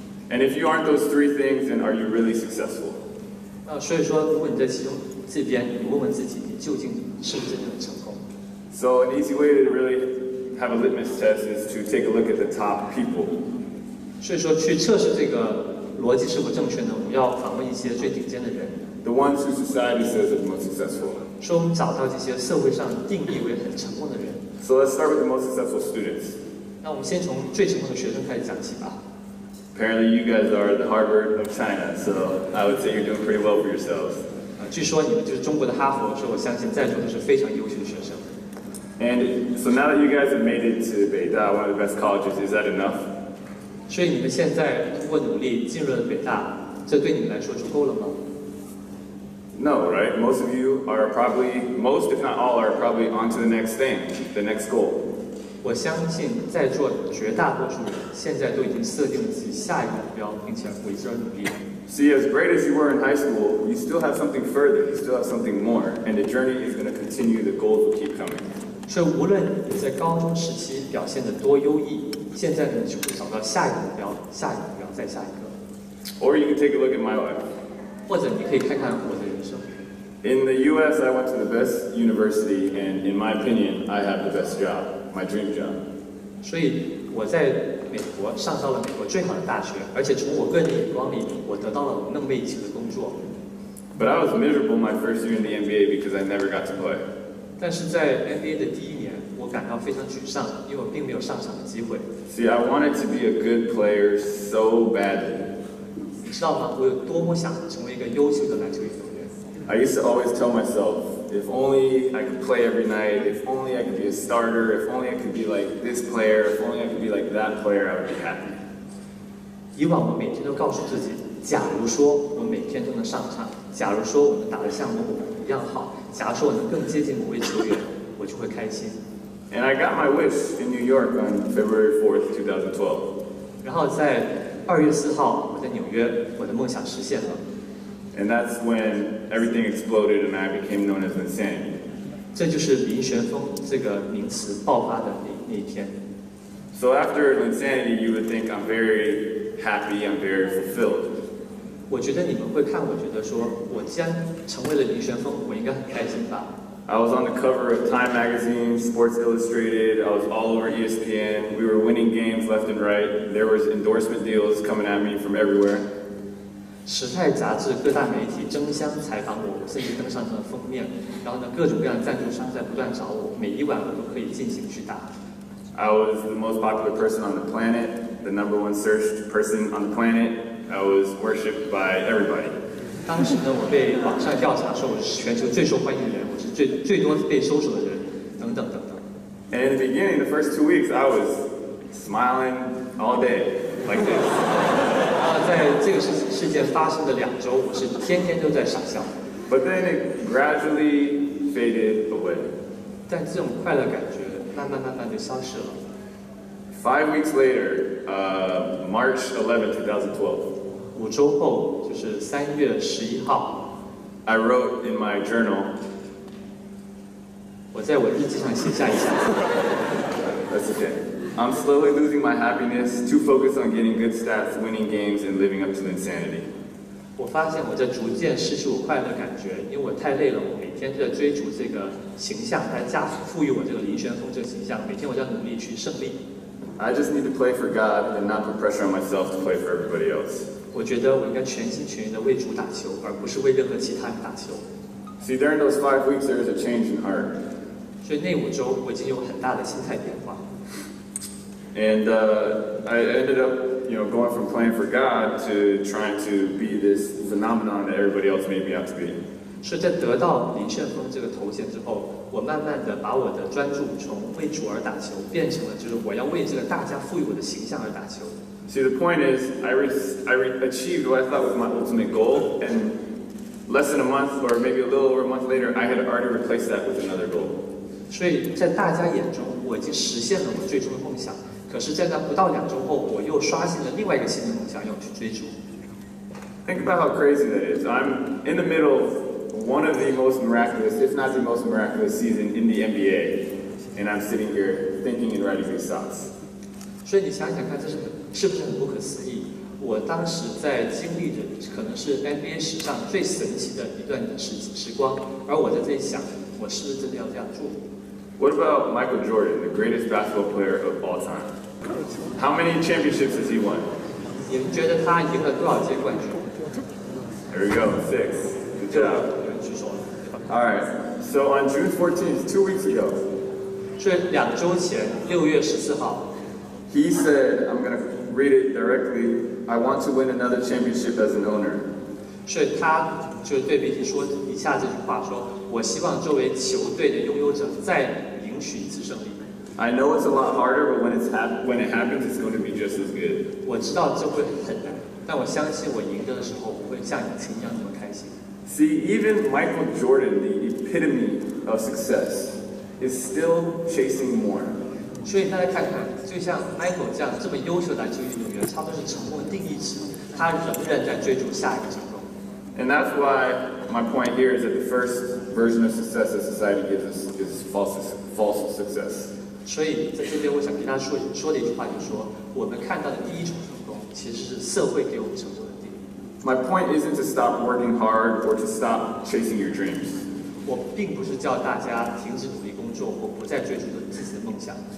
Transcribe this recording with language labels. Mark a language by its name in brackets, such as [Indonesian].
[English] And if you aren't those three things, then are you really successful? [Chinese] 所以说，如果你在其中这边，你问问自己，你究竟是不是真的成功？ [English] So an easy way to really have a litmus test is to take a look at the top people. [Chinese] 所以说，去测试这个。逻辑是否正确呢？我们要访问一些最顶尖的人。 [English] The ones who society says are the most successful. [Chinese] 说我们找到这些社会上定义为很成功的人。 [English] So let's start with the most successful students. [Chinese] 那我们先从最成功的学生开始讲起吧。 [English] Apparently you guys are the Harvard of China, so I would say you're doing pretty well for yourselves. [Chinese] 据说你们就是中国的哈佛，所以我相信在座都是非常优秀的学生。 [English] And so now that you guys have made it to 北大, one of the best colleges, is that enough? [Chinese] 所以你们现在通过努力进入了北大，这对你们来说足够了吗 [English] ？No, right? Most of you are probably, most if not all, are probably on to the next thing, the next goal. [Chinese] 我相信在座绝大多数人现在都已经设定了自己下一个目标，并且为之而努力。 [English] See, as great as you were in high school, you still have something further, you still have something more, and the journey is going to continue, the goals will keep coming. [Chinese] 所以无论你在高中时期表现得多优异，现在呢你就会找到下一个目标，下一个目标，再下一个。 [English] Or you can take a look at my life. [Chinese] 或者你可以看看我的人生。 [English] In the US, I went to the best university, and in my opinion, I have the best job, my dream job. [Chinese] 所以我在美国上到了美国最好的大学，而且从我个人的眼光里，我得到了梦寐以求的工作。 [English] But I was miserable my first year in the NBA because I never got to play. [Chinese] 但是在 NBA 的第一年，我感到非常沮丧，因为我并没有上场的机会。 [English] See, I wanted to be a good player so badly. [Chinese] 你知道吗？我有多么想成为一个优秀的篮球运动员。 [English] I used to always tell myself. If only I could play every night, if only I could be a starter, if only I could be like this player, if only I could be like that player, I would be happy. [Chinese] 以往我每天都告诉自己，假如说我每天都能上场，假如说我们打得像某某某一样好，假如说我能更接近某位球员，我就会开心。 [English] And I got my wish in New York on February 4th, 2012. [Chinese] 然后在2月4号，我在纽约，我的梦想实现了。 [English] And that's when everything exploded and I became known as insane. [Chinese] 这就是林旋风这个名词爆发的那一天。 [English] So after insanity, you would think I'm very happy, I'm very fulfilled. [Chinese] 我觉得你们会看，我觉得说我既然成为了林旋风，我应该很开心吧。 [English] I was on the cover of Time Magazine, Sports Illustrated, I was all over ESPN, we were winning games left and right, there was endorsement deals coming at me from everywhere. [Chinese] 时代杂志各大媒体争相采访我，甚至登上了封面。然后呢，各种各样的赞助商在不断找我，每一晚我都可以尽情去打。 [English] I was the most popular person on the planet, the number one searched person on the planet. I was worshipped by everybody. [Chinese] 当时呢，我被网上调查说我是全球最受欢迎的人，我是最多被搜索的人，等等等等。 [English] And in the beginning, the first 2 weeks, I was smiling all day, like this. [Chinese] 在这个事件发生的两周，我是天天都在傻笑。 [English] But then it gradually faded away. [Chinese] 但这种快乐感觉慢慢就消失了。 [English] 5 weeks later, March 11, 2012. [Chinese] 五周后，就是3月11号。 [English] I wrote in my journal. [Chinese] 我在我日记上写下一下。 [English] That's okay. I'm slowly losing my happiness, too focused on getting good stats, winning games, and living up to insanity. [Chinese] 我发现我在逐渐失去我快乐的感觉，因为我太累了。我每天在追逐这个形象，来加赋予我这个林旋风这个形象。每天我要努力去胜利。 [English] I just need to play for God and not put pressure on myself to play for everybody else. [Chinese] 我觉得我应该全心全意地为主打球，而不是为任何其他人打球。 [English] See, during those 5 weeks, there is a change in heart. [Chinese] 所以那五周我已经有很大的心态变化。 [English] And I ended up, you know, going from playing for God to trying to be this phenomenon that everybody else made me out to be. [Chinese] 是在得到林旋风这个头衔之后，我慢慢的把我的专注从为主而打球变成了就是我要为这个大家赋予我的形象而打球。 [English] See, the point is, I achieved what I thought was my ultimate goal, and less than a month, or maybe a little over a month later, I had already replaced that with another goal. [Chinese] 所以在大家眼中，我已经实现了我最终的梦想。可是在那不到两周后，我又刷新了另外一个新的梦想，要去追逐。 [English] Think about how crazy that is. I'm in the middle of one of the most miraculous, if not the most miraculous season in the NBA, and I'm sitting here thinking and writing these thoughts. [Chinese] 所以你想想看，这是不是很不可思议？我当时在经历着可能是 NBA 史上最神奇的一段时光，而我在这里想，我是不是真的要这样做？ [English] What about Michael Jordan, the greatest basketball player of all time? How many championships has he won? [Chinese] 你们觉得他赢了多少届冠军？ [English] There we go, 6. Good job. [Chinese] 有人举手了。 [English] All right. So on June 14th, 2 weeks ago. [Chinese] 这两周前，6月14号。 [English] He said, "I'm going to read it directly. I want to win another championship as an owner." [Chinese] 是他就对媒体说以下这句话说。我希望作为球队的拥有者再赢取一次胜利。 [English] I know it's a lot harder, but when it happens, it's going to be just as good. [Chinese] 我知道这会很难，但我相信我赢得的时候会像以前一样那么开心。 [English] See, even Michael Jordan, the epitome of success, is still chasing more. [Chinese] 所以大家看看，就像 Michael 这样这么优秀的篮球运动员，差不多是成功的定义词，他仍然在追逐下一个成功。 [English] And that's why my point here is that the first version of success that society gives us is false success. [Chinese] 所以在这边我想跟大家说的一句话，就是说我们看到的第一种成功，其实是社会给我们成功的定义。 [English] My point isn't to stop working hard or to stop chasing your dreams. [Chinese] 我并不是叫大家停止努力工作，或不再追逐自己的梦想。